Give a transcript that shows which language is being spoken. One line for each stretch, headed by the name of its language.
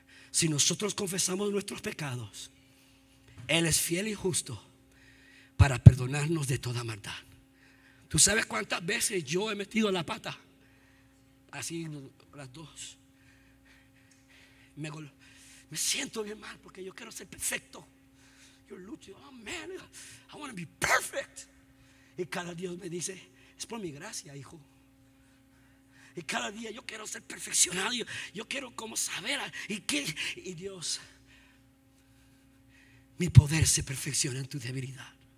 Spanish: Si nosotros confesamos nuestros pecados, Él es fiel y justo para perdonarnos de toda maldad. ¿Tú sabes cuántas veces yo he metido la pata? Así las dos. Me siento bien mal porque yo quiero ser perfecto. Yo lucho,
English: oh man, I want to be perfect.
Spanish: Y cada día me dice, es por mi gracia, hijo. Y cada día yo quiero ser perfeccionado. Yo quiero como saber. Y Dios, mi poder se perfecciona en tu debilidad.